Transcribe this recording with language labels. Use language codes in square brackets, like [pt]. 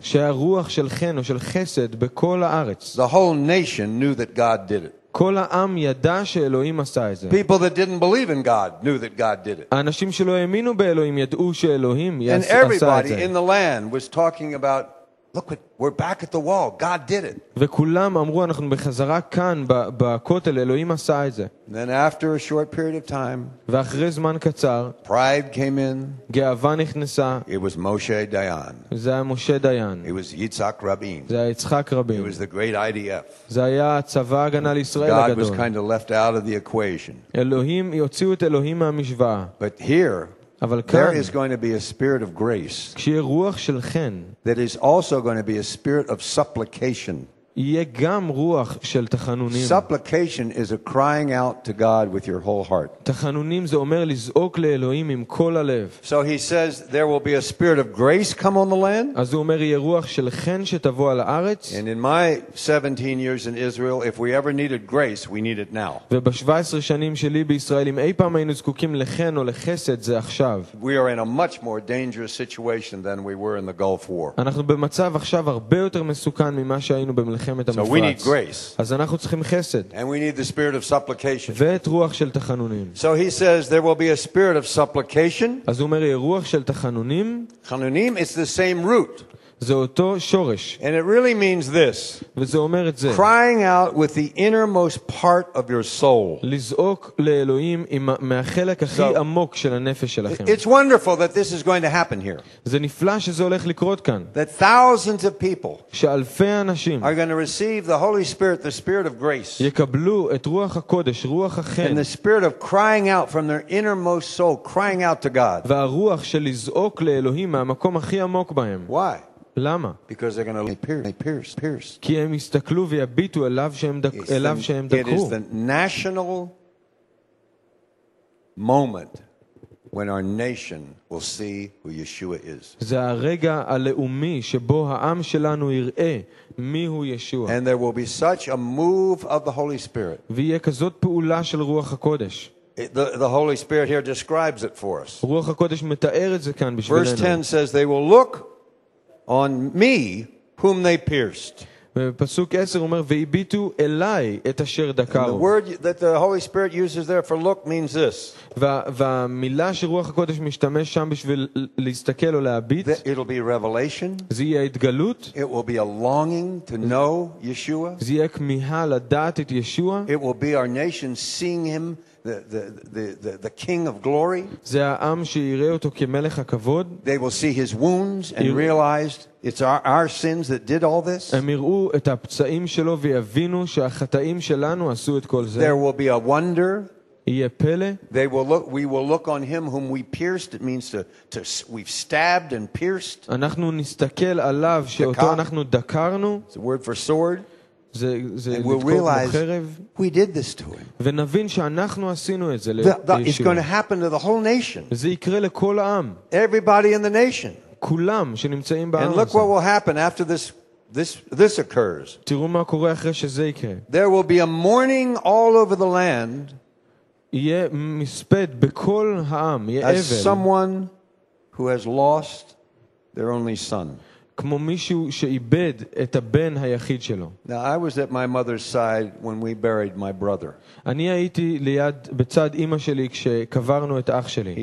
[he] שהרוח של חן או של חסד בכל הארץ. [en] The whole nation knew that God did it. [he] כל העם ידע שאלוהים עשה את זה. [en] People that didn't believe in God knew that God did it. [he] אנשים שלא האמינו באלוהים ידעו שאלוהים עשה את זה. [en] And everybody in the land was talking about, look, we're back at the wall. God did it. [he] וכולם אמרו אנחנו בחזרה כאן בכותל, אלוהים עשה את זה. [en] Then after a short period of time, [he] ואחרי זמן קצר, [en] pride came in. [he] גאווה נכנסה. [en] It was Moshe Dayan. [he] זה היה משה דיין. [en] It was Yitzhak Rabin. [he] זה היה יצחק רבין. [en] It was the great IDF. [he] זה היה צבא הגנה לישראל הגדול. [en] God was kind of left out of the equation. [he] אלוהים הוציאו את אלוהים מהמשוואה. [en] But here, [he] אבל כאן, [en] there is going to be a spirit of grace. [he] שיהיה רוח של חן. [en] That is also going to be a spirit of supplication. [he] יהיה גם רוח של תחנונים. [en] Supplication is a crying out to God with your whole heart. [he] תחנונים זה אומר לזעוק לאלוהים עם כל הלב. [en] So he says there will be a spirit of grace come on the land. [he] אז הוא אומר יהיה רוח של חן שתבוא על הארץ. [en] And in my 17 years in Israel, if we ever needed grace, we need it now. [he] וב-17 שנים שלי בישראל, אם אי פעם היינו זקוקים לחן או לחסד, זה עכשיו. [en] We are in a much more dangerous situation than we were in the Gulf War. [he] אנחנו במצב עכשיו הרבה יותר מסוכן ממה שהיינו במצב. [en] So we need grace. [he] אז אנחנו צריכים חסד. [en] And we need the spirit of supplication. [he] ואת רוח של תחנונים. [en] So he says there will be a spirit of supplication. [he] אז הוא אומר רוח של תחנונים. [en] תחנונים is the same root. And it really means this. Crying out with the innermost part of your soul. [he] לזעוק לאלוהים מהחלק הכי עמוק של הנפש שלכם. [en] It's wonderful that this is going to happen here. [he] זה נפלא שזה הולך לקרות כאן. [en] That thousands of people [he] שאלפי אנשים [en] are going to receive the Holy Spirit, the Spirit of grace. [he] יקבלו את רוח הקודש, רוח החן. [en] And the Spirit of crying out from their innermost soul, crying out to God. [he] והרוח של לזעוק לאלוהים מהמקום הכי עמוק בהם. [en] Why? [he] למה? [en] Because they're going to pierce. [he] כי הם יסתכלו ויביטו אליו שהם דקו. [en] It is the national moment when our nation will see who Yeshua is. [he] זה הרגע הלאומי שבו העם שלנו יראה מי הוא ישוע. [en] And there will be such a move of the Holy Spirit. [he] ויהיה כזאת פעולה של רוח הקודש. [en] The Holy Spirit here describes it for us. [he] רוח הקודש מתאר את זה כאן בשבילנו. [en] Verse 10 says they will look on me whom they pierced. [he] ופסוק 10 אומר ויביטו אליי את אשר דקרו. [en] The word that the Holy Spirit uses there for look means this. [he] והמילה שרוח הקודש משתמש שם בשביל להסתכל או להביט. [en] It'll be revelation. [he] זה יהיה התגלות. [en] It will be a longing to know Yeshua. [he] זה יהיה כמיהה לדעת את ישוע. [en] It will be our nation seeing him, the king of glory. [he] זה העם שיראה אותו כמלך הכבוד. [en] They will see his wounds and realize it's our sins that did all this. [he] הם יראו את הפצעים שלו ויבינו שהחטאים שלנו עשו את כל זה. [en] There will be a wonder. [he] יהיה פלא. [en] They will look, we will look on him whom we pierced. It means to we've stabbed and pierced. [he] אנחנו נסתכל עליו שאותו אנחנו דקרנו. [en] It's a word for sword. And we'll realize we did this to him. [he] ונבין שאנחנו עשינו את זה. [en] It's going to happen to the whole nation. [he] זה יקרה לכל העם. [en] Everybody in the nation. [he] כולם שנמצאים בעם. [en] And look what will happen after this occurs. [he] תראו מה קורה אחרי שזה יקרה. [en] There will be a mourning all over the land. [he] יהיה מספד בכל העם. יהיה אבל. [en] As someone who has lost their only son. [he] כמו מישהו שאיבד את הבן היחיד שלו. [en] Now, I was at my mother's side when we buried my brother. [he] אני הייתי ליד בצד אמא שלי כשקברנו את אח שלי.